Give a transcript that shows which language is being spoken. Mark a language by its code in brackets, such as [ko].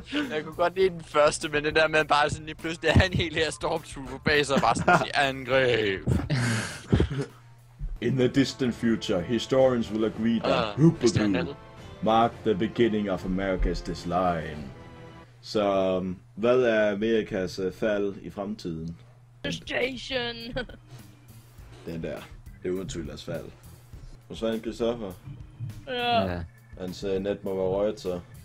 [da] Jeg kunne godt lide den første, men det der med bare sådan lige pludselig have en hel her Stormtrooper bag sig og bare sådan sige angreb. [en] In the distant future, historians will agree that Hoopaloo marked the beginning of America's decline. [da] Så, hvad er Amerikas fald i fremtiden? Frustration! Den der. Det er uden tvivl deres fald. Hvor svandt Christoffer? Ja. Hans net må være røget, så.